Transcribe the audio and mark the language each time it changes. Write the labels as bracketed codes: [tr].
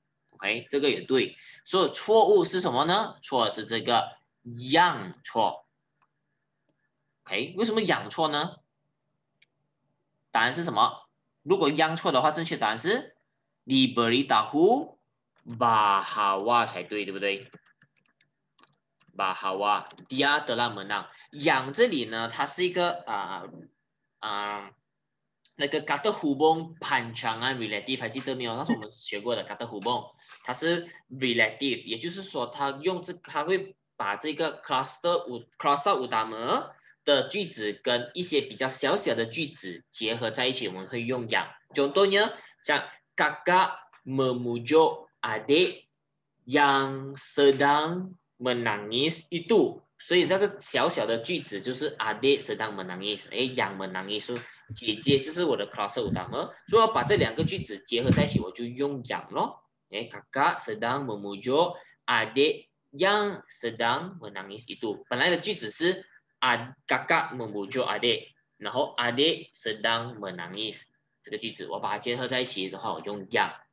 [zh] OK， 这个也对。所以错误是什么呢？错是这个 yang 错。 OK， 为什么 yang 错呢？答案是什么？如果 yang 错的话，正确答案是 [ms] diberitahu bahawa [zh] 才对，对不对？ [ms] bahawa dia telah menang。 [zh] yang 这里呢，它是一个那个 [ms] kata hubung pancangan [zh] relative， 还记得没有？那是我们学过的 kata hubung， 它是 relative， 也就是说它用这个，它会把这个 [ms] cluster utama [zh] 的句子跟一些比较小小的句子结合在一起，我们会用 yang。 contohnya， 像 [ms] kakak memujuk adik yang sedang menangis itu， [zh] 所以那个小小的句子就是 [ms] adik sedang menangis， [zh] 哎 ， [ms] yang menangis。 [zh] 姐姐，这是我的 [ms] cluster utama， [zh] 所以要把这两个句子结合在一起，我就用 yang 咯。哎 ， [ms] kakak sedang memujuk adik yang sedang menangis itu。 [zh] 本来的句子是 [ms] kakak memujuk adik， [zh] 然后 [ms] adik sedang menangis [zh] 这个句子，我把它结合在一起的话，我用 yang。